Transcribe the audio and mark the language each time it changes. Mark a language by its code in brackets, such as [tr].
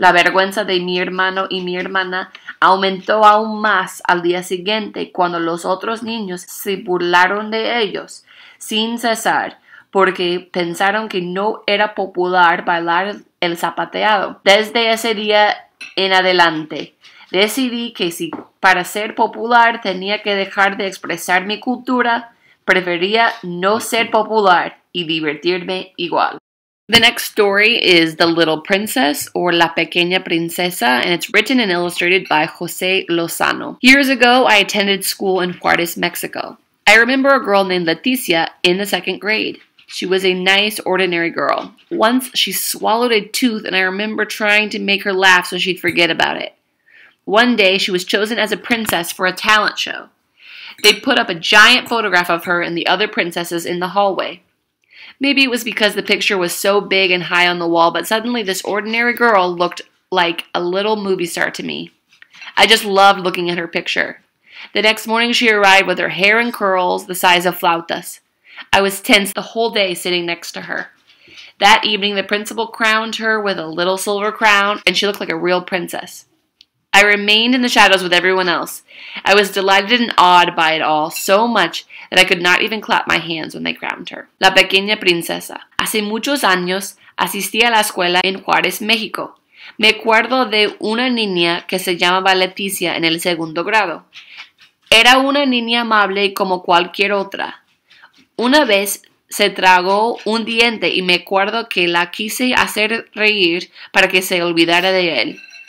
[es] La vergüenza de mi hermano y mi hermana aumentó aún más al día siguiente cuando los otros niños se burlaron de ellos sin cesar, porque pensaron que no era popular bailar el zapateado. Desde ese día en adelante, decidí que si para ser popular tenía que dejar de expresar mi cultura, prefería no ser popular y divertirme igual. [en] The next story is The Little Princess, or La Pequeña Princesa, and it's written and illustrated by José Lozano. Years ago, I attended school in Juárez, Mexico. I remember a girl named Leticia in the second grade. She was a nice, ordinary girl. Once, she swallowed a tooth, and I remember trying to make her laugh so she'd forget about it. One day, she was chosen as a princess for a talent show. They put up a giant photograph of her and the other princesses in the hallway. Maybe it was because the picture was so big and high on the wall, but suddenly this ordinary girl looked like a little movie star to me. I just loved looking at her picture. The next morning, she arrived with her hair in curls the size of flautas. I was tense the whole day sitting next to her. That evening, the principal crowned her with a little silver crown, and she looked like a real princess. I remained in the shadows with everyone else. I was delighted and awed by it all so much that I could not even clap my hands when they crowned her. [es] La Pequeña Princesa. Hace muchos años, asistí a la escuela en Juárez, México. Me acuerdo de una niña que se llamaba Leticia en el segundo grado. Era una niña amable como cualquier otra. Una vez se tragó un diente y me acuerdo que la quise hacer reír para que se olvidara de él.